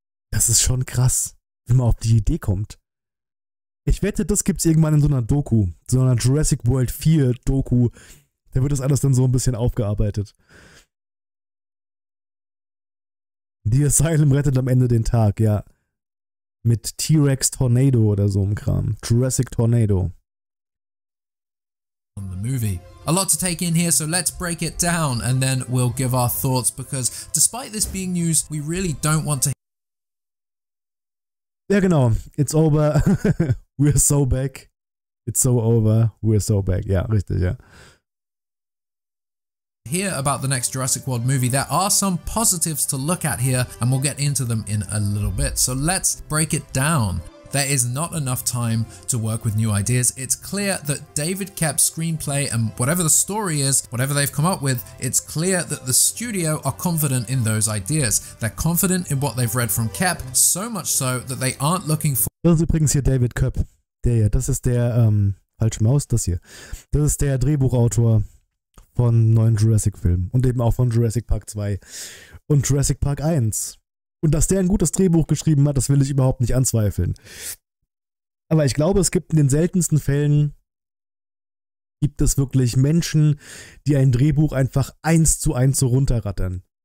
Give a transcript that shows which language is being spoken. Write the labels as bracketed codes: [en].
[de] Das ist schon krass, wie man auf die Idee kommt. Ich wette, das gibt's irgendwann in so einer Doku, so einer Jurassic World 4 Doku. Da wird das alles dann so ein bisschen aufgearbeitet. The Asylum rettet am Ende den Tag, ja. Mit T-Rex Tornado oder so einem Kram. Jurassic Tornado. [en] On the movie. A lot to take in here, so let's break it down and then we'll give our thoughts, because despite this being news, we really don't want to. [de] Ja, genau. [en] It's over. We're so back. It's so over. We're so back. [de] Ja, richtig, ja. [en] Hear about the next Jurassic World movie. There are some positives to look at here, and we'll get into them in a little bit. So let's break it down. There is not enough time to work with new ideas. It's clear that David Koepp's screenplay and whatever the story is, whatever they've come up with, it's clear that the studio are confident in those ideas. They're confident in what they've read from Koepp, so much so that they aren't looking for. [de] Das ist übrigens hier David Koepp. Der hier. Das ist der falsche Maus. Das hier. Das ist der Drehbuchautor von neuen Jurassic-Filmen und eben auch von Jurassic Park 2 und Jurassic Park 1. Und dass der ein gutes Drehbuch geschrieben hat, das will ich überhaupt nicht anzweifeln. Aber ich glaube, es gibt in den seltensten Fällen, gibt es wirklich Menschen, die ein Drehbuch einfach 1:1 so runterrattern.